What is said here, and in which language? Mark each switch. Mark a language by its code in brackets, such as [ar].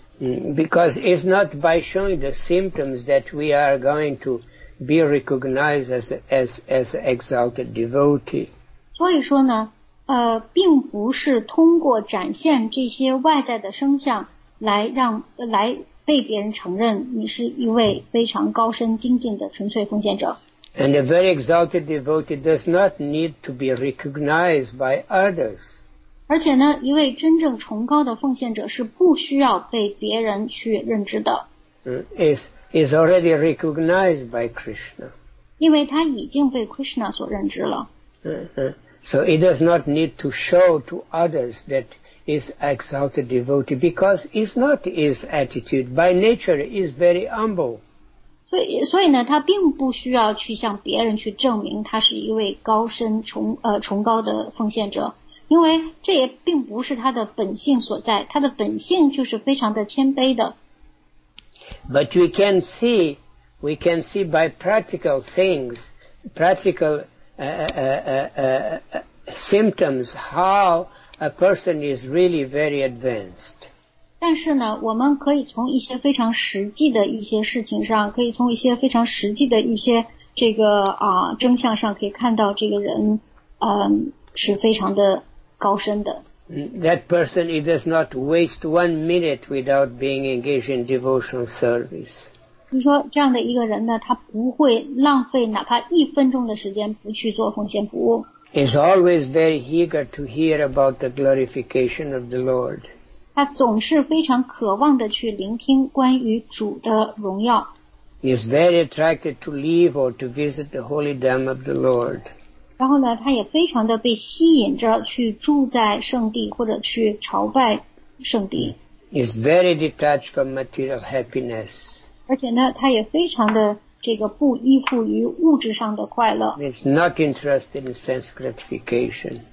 [en] Because it's not by showing the symptoms that we are going to be recognized as exalted devotee. [zh] 所以说呢并不是通过展现这些外在的声响来被别人承认你是一位非常高深精进的纯粹奉献者。 [en] And a very exalted devotee does not need to be recognized by others. [zh] 而且呢，一位真正崇高的奉献者是不需要被别人去认知的。 [en] Is already recognized by Krishna. [zh] 因为他已经被 Krishna 所认知了。 [en] So he does not need to show to others that. Is exalted devotee because it's not his attitude. By nature, he's very humble. [zh] 所以呢，他并不需要去向别人去证明他是一位高深崇高的奉献者。因为这也并不是他的本性所在，他的本性就是非常的谦卑的。 [en] But we can see by practical things, practical symptoms how a person is really very advanced. [zh] 但是呢，我们可以从一些非常实际的一些事情上，可以从一些非常实际的一些这个啊征象上，可以看到这个人是非常的高深的。 [en] That person does not waste 1 minute without being engaged in devotional service. [zh] 你说这样的一个人呢，他不会浪费哪怕一分钟的时间不去做奉献服务。 [en] Is always very eager to hear about the glorification of the Lord. [zh] 他总是非常渴望的去聆听关于主的荣耀。 [en] Is very attracted to leave or to visit the holy dhamma of the Lord. [zh] 然后呢，他也非常的被吸引着去住在圣地或者去朝拜圣地。 [en] Is very detached from material happiness. [zh] 而且呢，他也非常的这个不依附于物质上的快乐。 [en] Is not interested in sense gratification.